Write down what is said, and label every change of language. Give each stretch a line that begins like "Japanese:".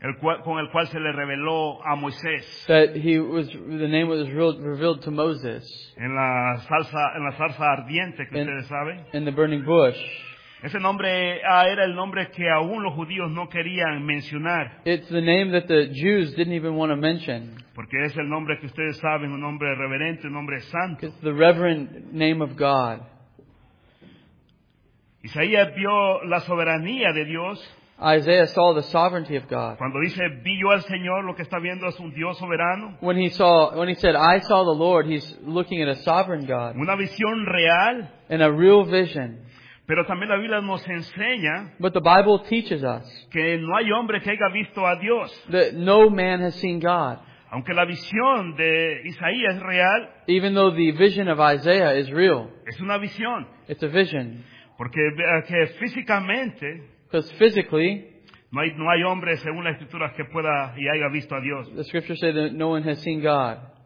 Spanish: Con el cual se le reveló a Moisés.
English: That the name was revealed to Moses.
Spanish: En la zarza ardiente que ustedes saben.
English: In the burning bush.
Spanish: Ese nombre era el nombre que aún los judíos no querían mencionar.
English: It's the name that the Jews didn't even want to mention.
Spanish: Porque es el nombre que ustedes saben, un nombre reverente, un nombre santo.
English: It's the reverent name of God.
Spanish: Isaías vio la soberanía de Dios.
English: Isaiah saw the sovereignty of God.
Spanish: Cuando dice, vi yo al Señor, lo que está viendo es un Dios soberano.
English: When he said, I saw the Lord, he's looking at a sovereign God.
Spanish: Una visión real.
English: And a real vision.
Spanish: Pero también la Biblia nos enseña.
English: But the Bible teaches us.
Spanish: Que no hay hombre que haya visto a Dios.
English: That no man has seen God.
Spanish: Aunque la visión de Isaías es real.
English: Even though the vision of Isaiah is real.
Spanish: Es una visión.
English: It's a vision.
Spanish: Porque que físicamente,
English: because physically,
Spanish: no hay hombre según las escrituras que pueda y haya visto a Dios.
English: The scriptures say that no one has seen God.